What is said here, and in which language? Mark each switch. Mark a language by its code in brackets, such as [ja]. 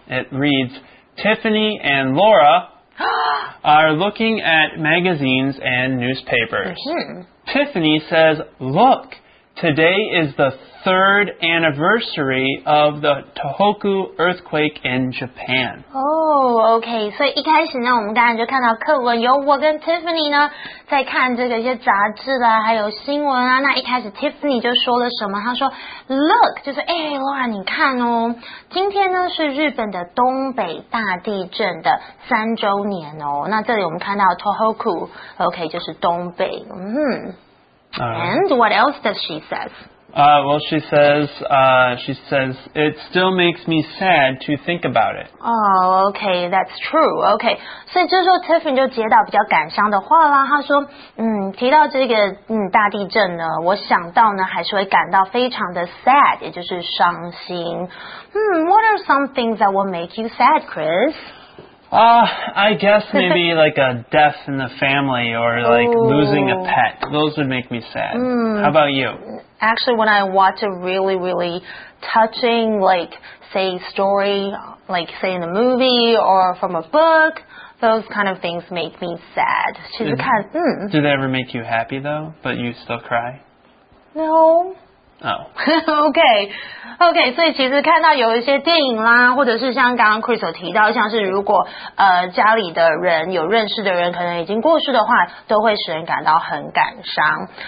[en] It reads, Tiffany and Laura are looking at magazines and newspapers. Tiffany says, look, today is the third anniversary of the Tohoku earthquake in Japan. Oh, okay. [zh] 所以一开始呢，我们当然就看到课文有我跟 Tiffany 呢在看这个一些杂志啦，还有新闻啊。那一开始 Tiffany 就说了什么？她说 ，Look， 就是哎，Laura， 你看哦，今天呢是日本的东北大地震的三周年哦。那这里我们看到 Tohoku， okay， 就是东北。 [en] And what else does she say? Well, she says, it still makes me sad to think about it. Oh, okay, that's true. [zh] Okay, 所以就是说 Tiffany 就接到比较感伤的话啦。她说，提到这个大地震呢，我想到呢还是会感到非常的 sad， 也就是伤心。 [en] What are some things that will make you sad, Chris? I guess maybe like a death in the family or like losing a pet. Those would make me sad. How about you? actually, when I watch a really, really touching, like, say, story, like, say, in a movie or from a book, those kind of things make me sad. Do they ever make you happy, though, but you still cry? No. Oh. [zh] Okay, 所以其实看到有一些电影啦，或者是像刚刚 Chris 有提到，像是如果家里的人有认识的人可能已经过世的话，都会使人感到很感伤。